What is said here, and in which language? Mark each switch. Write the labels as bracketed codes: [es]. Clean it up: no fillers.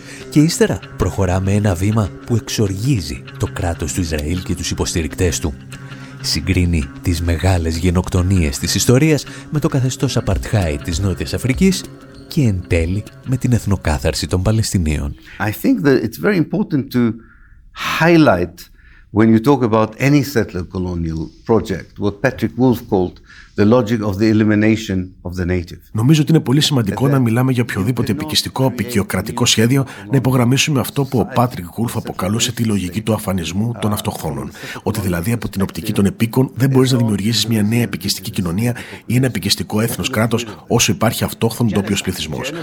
[el] Και ύστερα προχωράμε ένα βήμα που εξοργίζει το κράτος του Ισραήλ και τους υποστηρικτές του. Συγκρίνει τις μεγάλες γενοκτονίες της ιστορίας με το καθεστώς απαρτχάι της Νότιας Αφρικής και εν τέλει με την εθνοκάθαρση των Παλαιστινίων. [en] I think that it's very important to highlight when you talk about any settler colonial project, what Patrick Wolf called the logic of the elimination of the native. [el] Νομίζω ότι είναι πολύ σημαντικό να μιλάμε για οποιοδήποτε επικιστικό αποικιοκρατικό σχέδιο, να υπογραμμίσουμε αυτό που ο Patrick Wolf αποκαλούσε τη λογική του αφανισμού των αυτοχθόνων. Ότι δηλαδή από την οπτική των επίκων δεν μπορείς να δημιουργήσεις μια νέα επικιστική κοινωνία ή ένα επικιστικό έθνος κράτος όσο υπάρχει αυτόχθον ντόπιο πληθυσμό.